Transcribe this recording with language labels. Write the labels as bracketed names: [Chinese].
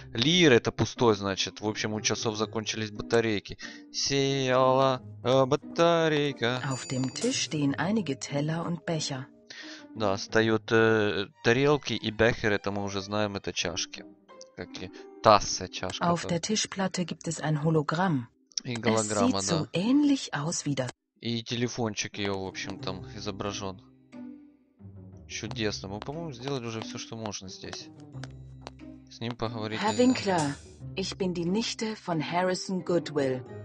[Russian] Лир это пустой, значит. В общем, у часов закончились батарейки. Сияла батарейка. [German] Auf dem Tisch stehen einige Teller und Becher. [Russian] Да, стоят тарелки и бехер, это мы уже знаем, это чашки. Как и тассы, чашки. [German] Auf der Tischplatte gibt es ein Hologramm. [Russian] И голограмма, [German] да. Es sieht so ähnlich aus wie das. [Russian] И телефончик ее, в общем, там изображен. Чудесно. Мы, по-моему, сделали уже все, что можно здесь. С ним поговорить. [German] Herr Winkler, ich bin die Nichte von Harrison Goodwill.